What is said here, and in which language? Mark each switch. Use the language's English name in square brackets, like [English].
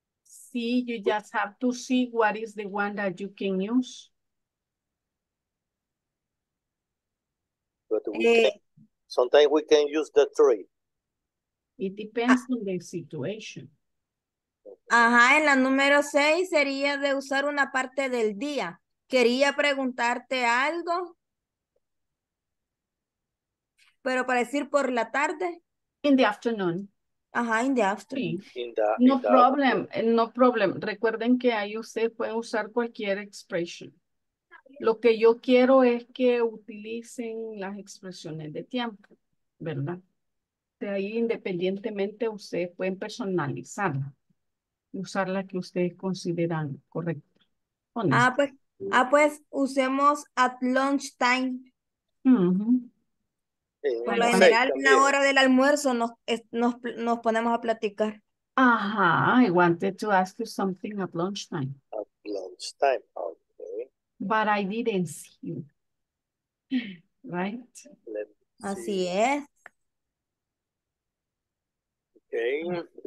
[English] See, you just have to see what is the one that you can use. But we can, sometimes we can use the three. It depends on the situation. [Spanish] Ajá, en la número 6 sería de usar una parte del día. Quería preguntarte algo. Pero para decir por la tarde. [English] In the afternoon. Ajá, in the afternoon. No problem. [Spanish] Recuerden que ahí usted puede usar cualquier expression. Lo que yo quiero es que utilicen las expresiones de tiempo, ¿verdad? De ahí, independientemente, ustedes pueden personalizarla. Usar la que ustedes consideran correcta. No. Ah, pues, usemos [English] at lunchtime. [Spanish] Por lo general, en la hora del almuerzo nos ponemos a platicar. [English] Ajá, I wanted to ask you something at lunchtime. At lunchtime, okay. But I didn't see you. Right? [Spanish] Así es. [English] Okay.